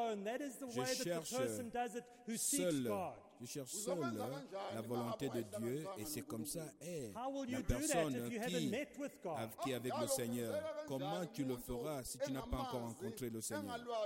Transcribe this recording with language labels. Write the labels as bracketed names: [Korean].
[English] That is the way that the person does it who seeks God. [French] Je cherche seul la volonté de Dieu et c'est comme ça. [English] How will you do that if you haven't met with God? [French] Qui est avec le Seigneur? Comment tu le feras si tu n'as pas encore rencontré le Seigneur?